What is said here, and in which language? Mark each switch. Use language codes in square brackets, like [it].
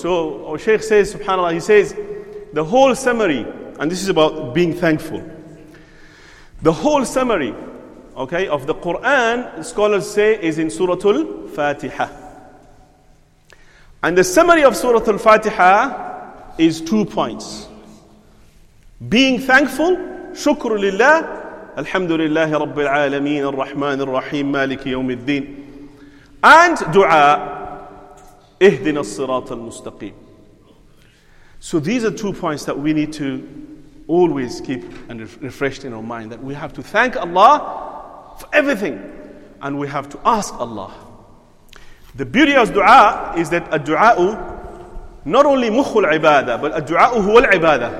[en] So our Shaykh says, subhanAllah, he says, the whole summary, and this is about being thankful. The whole summary, okay, of the Quran, scholars say, is in Surah Al-Fatiha. And the summary of Surah Al-Fatiha is 2 points. Being thankful, [ar] شكر لله, الحمد لله رب العالمين, الرحمن الرحيم, مالك يوم الدين. And دعاء, اهدنا الصراط المستقيم. [en] So these are 2 points that we need to always keep and refreshed in our mind, that we have to thank Allah for everything and we have to ask Allah. The beauty of dua is that a dua not only mukhul ibadah, but a dua huwa al-ibadah.